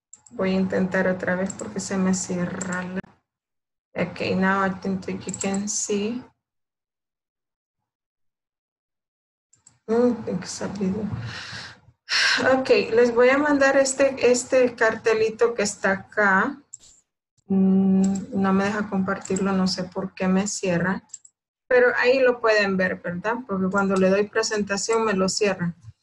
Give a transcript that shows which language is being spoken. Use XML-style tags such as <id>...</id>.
<es>Voy a intentar otra vez porque se me cierra la.</es> <en>Ok, now I think that you can see.</en> <es>Ok, les voy a mandar este cartelito que está acá. No me deja compartirlo, no sé por qué me cierra. Pero ahí lo pueden ver, ¿verdad? Porque cuando le doy presentación me lo cierra.</es>